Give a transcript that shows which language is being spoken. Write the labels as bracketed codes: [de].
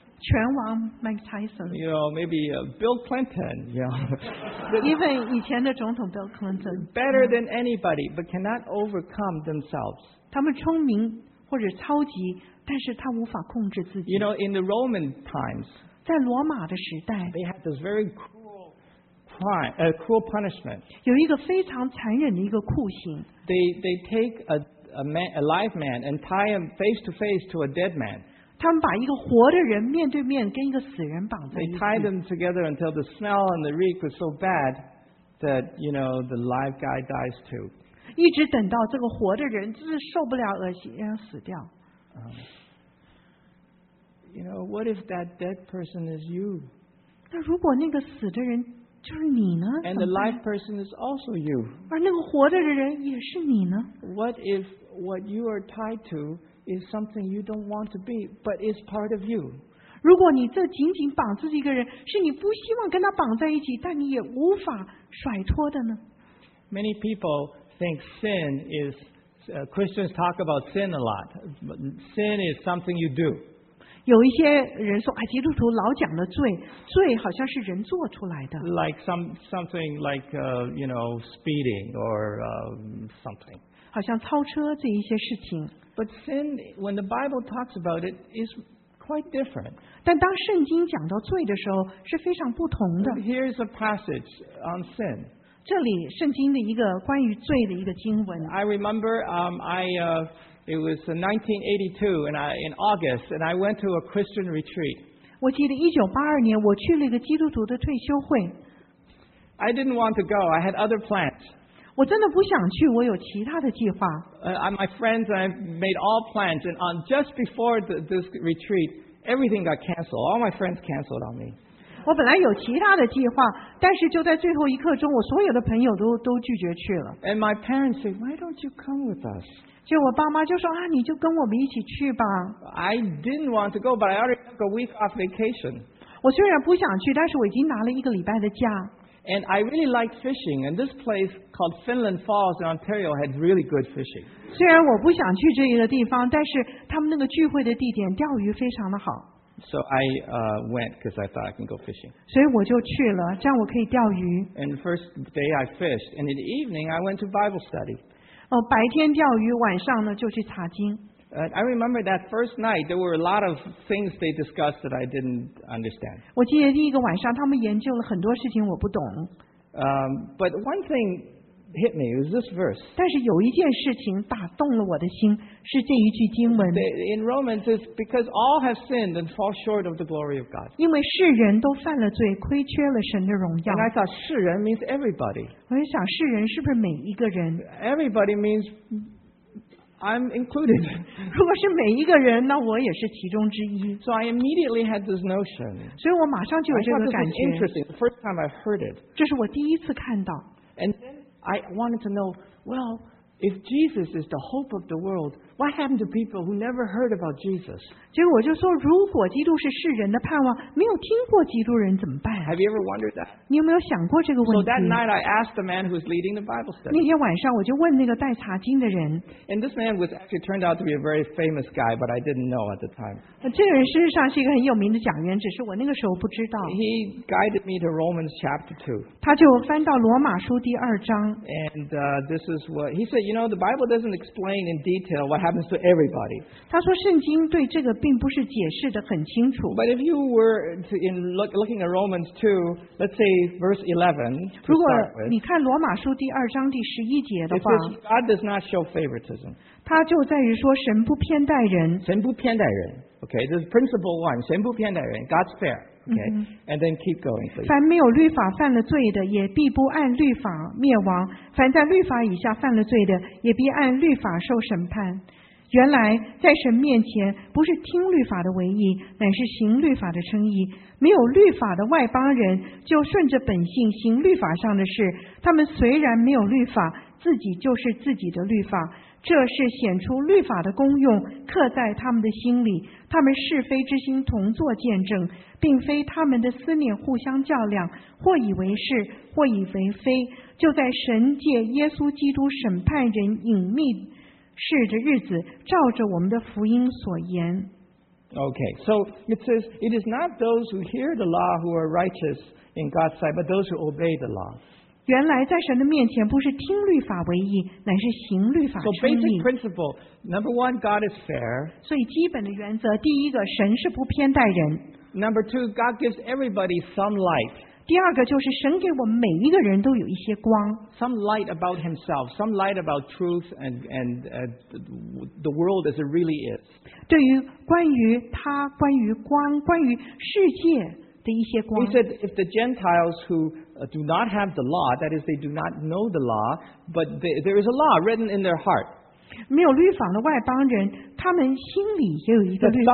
[zh] 拳王 Mike Tyson. [en] You know, maybe Bill Clinton. You know. Even [zh] 以前的总统 Bill Clinton. [en] Better than anybody, but cannot overcome themselves. [zh] 他们聪明或者超级，但是他无法控制自己。 [en] You know, in the Roman times. [zh] 在罗马的时代。 [en] They had this very cool. A cruel punishment. [zh] 有一个非常残忍的一个酷刑。 [en] They take a live man and tie him face to face to a dead man. [zh] 他们把一个活的人面对面跟一个死人绑在一起。 [en] They tie them together until the smell and the reek was so bad that, you know, the live guy dies too. [zh] 一直等到这个活的人真是受不了恶心，然后死掉。 [en] You know, what if that dead person is you? [zh] 那如果那个死的人就是你呢 [en] And the live person is also you. [zh] 而那个活着的人也是你呢 [en] What if what you are tied to is something you don't want to be, but is part of you? [zh] 如果你这紧紧绑住一个人，是你不希望跟他绑在一起，但你也无法甩脱的呢 [en] Many people think sin is, Christians talk about sin a lot. Sin is something you do. [zh] 有一些人说，基督徒老讲的罪，罪好像是人做出来的。 [en] Like something like you know speeding or something. [zh] 好像超车这一些事情。 [en] But sin, when the Bible talks about it, is quite different. [zh] 但当圣经讲到罪的时候，是非常不同的。 [en] Here's a passage on sin. [zh] 这里圣经的一个关于罪的一个经文。 [en] I remember, it was 1982, in August, and I went to a Christian retreat. [zh] 我记得1982年，我去了一个基督徒的退休会。 [en] I didn't want to go. I had other plans. [zh] 我真的不想去，我有其他的计划。 [en] My friends and I made all plans, and on just before this retreat, everything got canceled. All my friends canceled on me. [zh] 我本来有其他的计划，但是就在最后一刻中，我所有的朋友都拒绝去了。 [en] And my parents said, "Why don't you come with us?" [zh] 就我爸妈就说啊，你就跟我们一起去吧。 [en] I didn't want to go, but I already took a week off vacation. [zh] 我虽然不想去，但是我已经拿了一个礼拜的假。 [en] And I really liked fishing, and this place called Finland Falls in Ontario had really good fishing. [zh] 虽然我不想去这一个地方，但是他们那个聚会的地点钓鱼非常的好。 [en] So I went because I thought I can go fishing. [zh] 所以我就去了，这样我可以钓鱼。 [en] And the first day I fished, and in the evening I went to Bible study. [zh] 白天钓鱼，晚上呢就去查经。 [en] I remember that first night there were a lot of things they discussed that I didn't understand. [zh] 我记得第一个晚上他们研究了很多事情我不懂。 [en] But one thing hit me, it was this verse. [zh] 但是有一件事情打动了我的心，是这一句经文。 [en] In Romans it's because all have sinned and fall short of the glory of God. [zh] 因为世人都犯了罪，亏缺了神的荣耀。 [en] And I thought, 世人 means everybody. [zh] 我就想世人是不是每一个人？ [en] Everybody means I'm included. [zh] 如果是每一个人，那我也是其中之一。 [en] So I immediately had this notion. [zh] 所以我马上就有这个感觉。 [en] I thought this was interesting. The first time I heard it. [zh] 这是我第一次看到。 [en] And then I wanted to know, well, if Jesus is the hope of the world, what happened to people who never heard about Jesus? [zh] 结果我就说，如果基督是世人的盼望，没有听过基督人怎么办？ [en] Have you ever wondered that? [zh] 你有没有想过这个问题？ [en] So that night I asked the man who was leading the Bible study. [zh] 那天晚上我就问那个带查经的人。 [en] And this man was actually turned out to be a very famous guy, but I didn't know at the time. [zh] 这个人事实上是一个很有名的讲员，只是我那个时候不知道。 [en] He guided me to Romans chapter 2. [zh] 他就翻到罗马书第二章。 [en] And this is what he said, you know, the Bible doesn't explain in detail what happens to everybody. [zh] 他说圣经对这个并不是解释得很清楚。 [en] But if you were to in looking at Romans 2, let's say verse 11, to start with, [zh] 如果你看罗马书第二章第十一节的话， [en] it says God does not show favoritism. [zh] 他就在于说神不偏待人。神不偏待人。 [en] Okay, this is principle one. [zh] 神不偏待人。 [en] God's fair. Okay, and then keep going, please. [zh] 凡没有律法犯了罪的，也必不按律法灭亡；凡在律法以下犯了罪的，也必按律法受审判。原来在神面前不是听律法的为义，乃是行律法的称义。没有律法的外邦人就顺着本性行律法上的事，他们虽然没有律法，自己就是自己的律法。这是显出律法的功用，刻在他们的心里，他们是非之心同作见证，并非他们的思念互相较量，或以为是，或以为非。就在神借耶稣基督审判人隐秘是的日子，照着我们的福音所言。 [en] Okay, so it says, it is not those who hear the law who are righteous in God's sight, but those who obey the law. [zh] 原来在神的面前不是听律法为义，乃是行律法称义。 [en] So basic principle, number one, God is fair. [zh] 所以基本的原则，第一个，神是不偏待人。 [en] Number two, God gives everybody some light. [zh] 第二个就是神给我们每一个人都有一些光。 [en] Some light about himself, some light about truth and the world as it really is. [zh] 对于关于他、关于光、关于世界的一些光。 [en] He said, if the Gentiles who do not have the law, that is, they do not know the law, but there is a law written in their heart. [zh] 没有律法的外邦人，他们心里也有一个律法。